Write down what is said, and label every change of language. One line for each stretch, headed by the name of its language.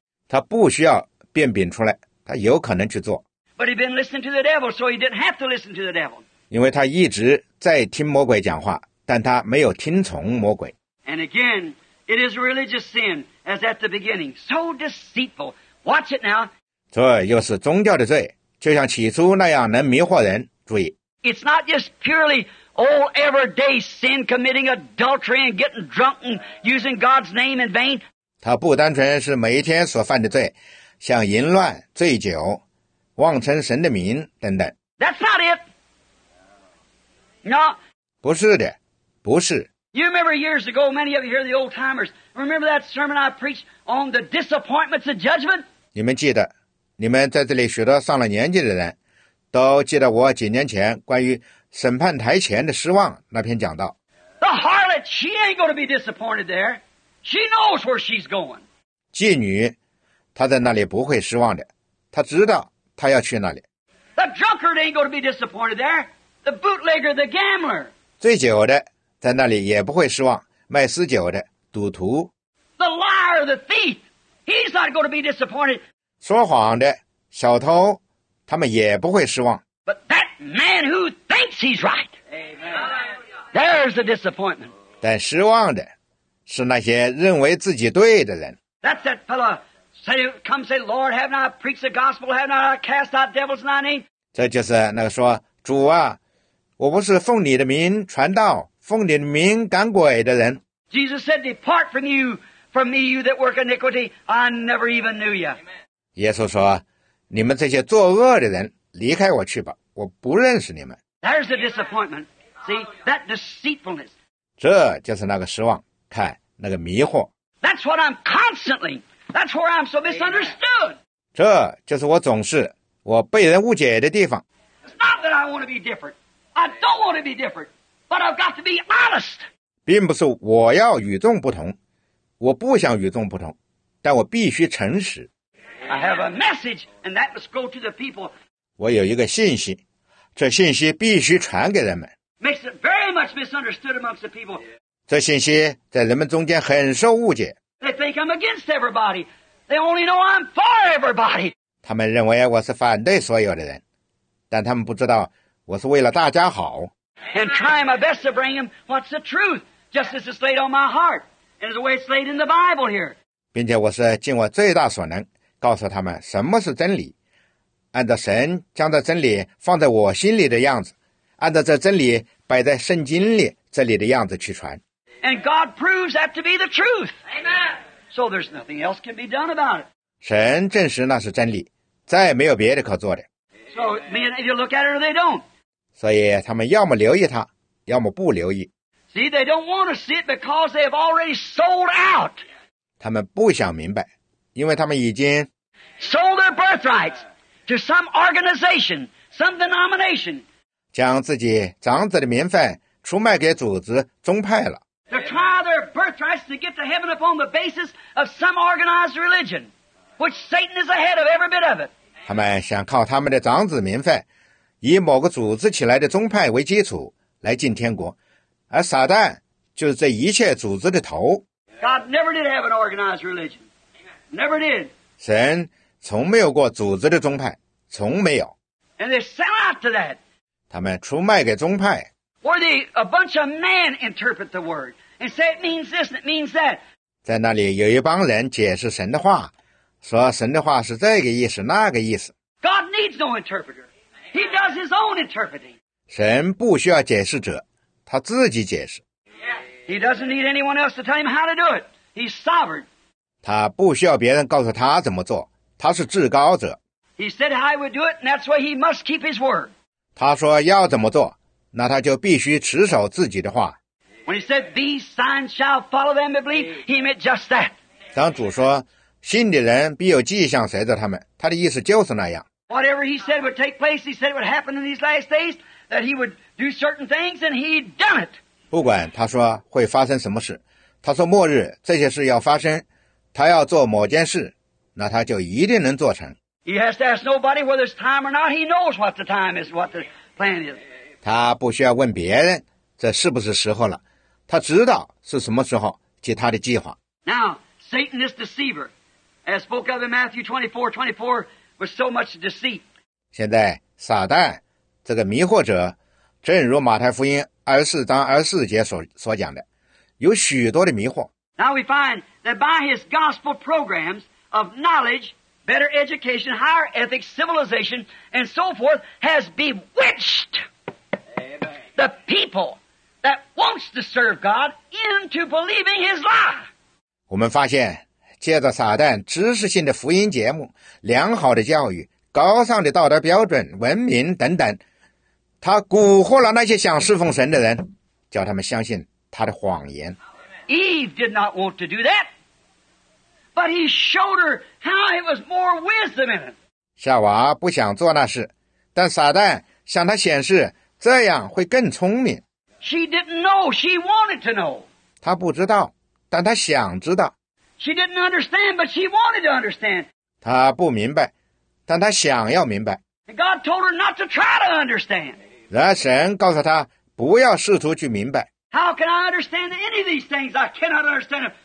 Chinese: 他不需要变饼出来，他有可能去做。
English: But he'd been listening to the devil, so he didn't have to listen to the devil.
Chinese: 因为他一直在听魔鬼讲话，但他没有听从魔鬼。
English: And again, it is religious sin, as at the beginning, so deceitful. Watch it now.
Chinese: 这又是宗教的罪，就像起初那样能迷惑人。注意。
English: It's not just purely old everyday sin, committing adultery and getting drunk and using God's name in vain.
Chinese: 他不单纯是每一天所犯的罪，像淫乱、醉酒、妄称神的名等等。
English: That's not it. No.
Chinese: 不是的，不是。
English: You remember years ago, many of you here, the old timers, remember that sermon I preached on the disappointments of judgment?
Chinese: 你们记得，你们在这里许多上了年纪的人，都记得我几年前关于审判台前的失望那篇讲道。
English: The harlot, she ain't going to be disappointed there. She knows where she's going.
Chinese: 妓女，她在那里不会失望的，她知道她要去那里。
English: The drunkard ain't going to be disappointed there. The bootlegger, the gambler.
Chinese: 醉酒的在那里也不会失望，卖私酒的赌徒。
English: The liar, the thief, he's not going to be disappointed.
Chinese: 说谎的小偷，他们也不会失望。
English: But that man who thinks he's right, there's a disappointment.
Chinese: 但失望的是那些认为自己对的人。
English: That's that fellow say, come say, Lord, have not preached the gospel, have not cast out devils in thy name.
Chinese: 这就是那个说，主啊，我不是奉你的名传道，奉你的名赶鬼的人。
English: Jesus said, depart from you, from me, you that work iniquity, I never even knew you.
Chinese: 耶稣说，你们这些作恶的人，离开我去吧，我不认识你们。
English: There's the disappointment. See, that deceitfulness.
Chinese: 这就是那个失望，看那个迷惑。
English: That's what I'm constantly, that's where I'm so misunderstood.
Chinese: 这就是我总是，我被人误解的地方。
English: It's not that I want to be different. I don't want to be different. But I've got to be honest.
Chinese: 并不是我要与众不同，我不想与众不同，但我必须诚实。
English: I have a message, and that must go to the people.
Chinese: 我有一个信息，这信息必须传给人们。
English: Makes it very much misunderstood amongst the people.
Chinese: 这信息在人们中间很受误解。
English: They think I'm against everybody. They only know I'm for everybody.
Chinese: 他们认为我是反对所有的人，但他们不知道我是为了大家好。
English: And trying my best to bring them what's the truth, just as it's laid on my heart, and the way it's laid in the Bible here.
Chinese: 并且我是尽我最大所能。告诉他们什么是真理，按照神将这真理放在我心里的样子，按照这真理摆在圣经里这里的样子去传。
English: And God proves that to be the truth. Amen. So there's nothing else can be done about it.
Chinese: 神证实那是真理，再没有别的可做的。
English: So if you look at it or they don't.
Chinese: 所以他们要么留意它，要么不留意。
English: See, they don't want to see it because they have already sold out.
Chinese: 他们不想明白。因为他们已经
English: sold their birthrights to some organization, some denomination.
Chinese: 将自己长子的名分出卖给组织宗派了。
English: They try their birthrights to get to heaven upon the basis of some organized religion, which Satan is ahead of every bit of it.
Chinese: 他们想靠他们的长子名分，以某个组织起来的宗派为基础来进天国，而撒旦就是这一切组织的头。
English: God never did have an organized religion. Never did.
Chinese: 神从没有过组织的宗派，从没有。
English: And they sell out to that.
Chinese: 他们出卖给宗派。
English: Or they, a bunch of men interpret the word and say it means this and it means that.
Chinese: 在那里有一帮人解释神的话，说神的话是这个意思，那个意思。
English: God needs no interpreter. He does his own interpreting.
Chinese: 神不需要解释者，他自己解释。
English: He doesn't need anyone else to tell him how to do it. He's sovereign.
Chinese: 他不需要别人告诉他怎么做，他是至高者。
English: He said I would do it, and that's why he must keep his word.
Chinese: 他说要怎么做，那他就必须持守自己的话。
English: When he said these signs shall follow them that believe, he meant just that.
Chinese: 当主说信的人必有迹象随着他们，他的意思就是那样。
English: Whatever he said would take place, he said it would happen in these last days, that he would do certain things, and he'd done it.
Chinese: 不管他说会发生什么事，他说末日这些事要发生。他要做某件事，那他就一定能做成。
English: He has to ask nobody whether it's time or not. He knows what the time is, what the plan is.
Chinese: 他不需要问别人这是不是时候了，他知道是什么时候及他的计划。
English: Now, Satan is deceiver, as spoke of in Matthew 24:24, with so much deceit.
Chinese: 现在撒旦这个迷惑者，正如马太福音24:24所讲的，有许多的迷惑。
English: Now we find that by his gospel programs of knowledge, better education, higher ethics, civilization, and so forth, has bewitched、Amen. the people that wants to serve God into believing his lie.
Chinese: 我们发现借着撒旦知识性的福音节目、良好的教育、高尚的道德标准、文明等等，他蛊惑了那些想侍奉神的人，叫他们相信他的谎言。
English: Eve did not want to do that, but he showed her how it was more wisdom in it.
Chinese: 夏娃不想做那事，但撒旦向她显示这样会更聪明。
English: She didn't know, she wanted to know.
Chinese: 她不知道，但她想知道。
English: She didn't understand, but she wanted to understand.
Chinese: 她不明白，但她想要明白。
English: God told her not to try to understand.
Chinese: 然而神告诉她不要试图去明白。
English: How can I understand any of these things? I cannot understand them.